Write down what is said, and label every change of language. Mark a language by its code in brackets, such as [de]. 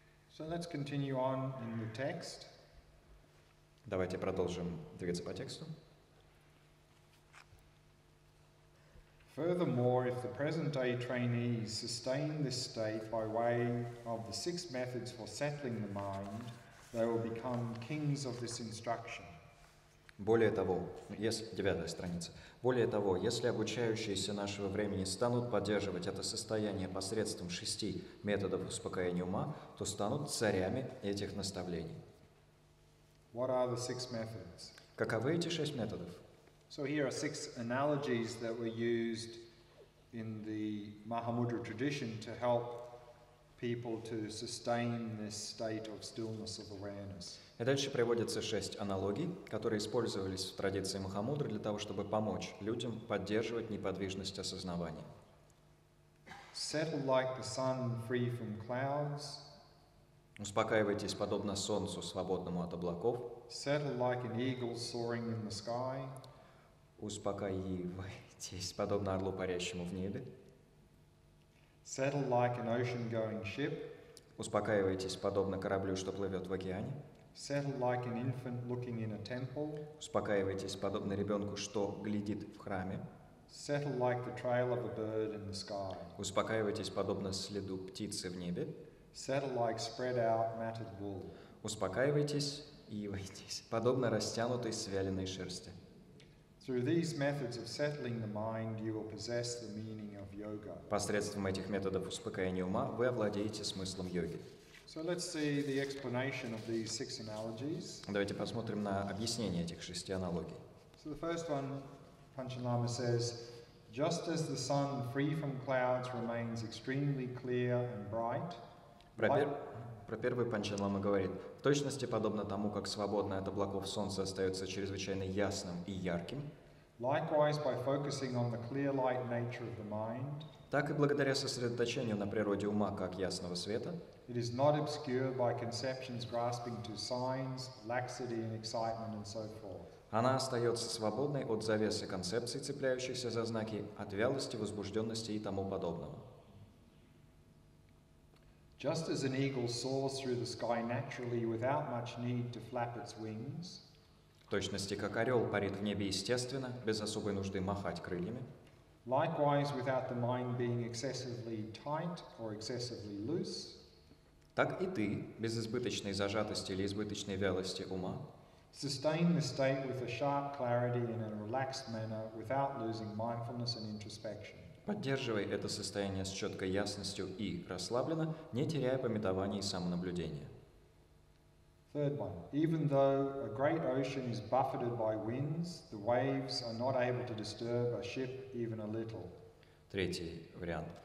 [en] So let's continue on in the text. [ru] Давайте продолжим двигаться по тексту. [en] Furthermore, if the present-day trainees sustain this state by way of the six methods for settling the mind, they will become kings of this instruction. [ru] Более того, если обучающиеся нашего времени станут поддерживать это состояние посредством шести методов успокоения ума, то станут царями этих наставлений. [en] What are the six methods? [ru] Каковы эти шесть методов? [en] So here are six analogies that were used in the Mahamudra tradition to help people to sustain this state of stillness of awareness. [ru] И дальше приводятся шесть аналогий, которые использовались в традиции Махамудры для того, чтобы помочь людям поддерживать неподвижность осознавания. [en] Settle like the sun, free from clouds. [ru] Успокаивайтесь, подобно солнцу, свободному от облаков. [en] Settle like an eagle soaring in the sky. [ru] Успокаивайтесь, подобно орлу, парящему в небе. [en] Settle like an ocean-going ship. [ru] Успокаивайтесь, подобно кораблю, что плывет в океане. [en] Settle like an infant looking in a temple. [ru] Успокаивайтесь, подобно ребенку, что глядит в храме. [en] Settle like the trail of a bird in the sky. [ru] Успокаивайтесь, подобно следу птицы в небе. [en] Settle like spread out matted wool. [ru] Успокаивайтесь, подобно растянутой свяленной шерсти. [en] Through these methods of settling the mind, you will possess the meaning of yoga. [ru] Посредством этих методов успокоения ума вы овладеете смыслом йоги. [en] So let's see the explanation of these six analogies. [ru] Давайте посмотрим на объяснение этих шести аналогий. [en] So the first one, Panchen Lama says, just as the sun, free from clouds, remains extremely clear and bright. [ru] Про первый Панчен Лама говорит, в точности подобно тому, как свободное от облаков солнце остается чрезвычайно ясным и ярким. [en] Likewise, by focusing on the clear light nature of the mind. [ru] Так и благодаря сосредоточению на природе ума как ясного света. [en] It is not obscured by conceptions grasping to signs, laxity and excitement and so forth. [ru] Она остается свободной от завесы концепций, цепляющихся за знаки, от вялости, возбужденности и тому подобного. [en] Just as an eagle soars through the sky naturally without much need to flap its wings. [ru] В точности как орел парит в небе естественно, без особой нужды махать крыльями. [en] Likewise, without the mind being excessively tight or excessively loose. [ru] Так и ты, без избыточной зажатости или избыточной вялости ума, [en] sustain the state with a sharp clarity in a relaxed manner without losing mindfulness and introspection. [ru] Поддерживай это состояние с четкой ясностью и расслабленно, не теряя памятования и самонаблюдения. [en] Third one. Even though a great ocean is buffeted by winds, the waves are not able to disturb a ship even a little. [ru] Третий вариант.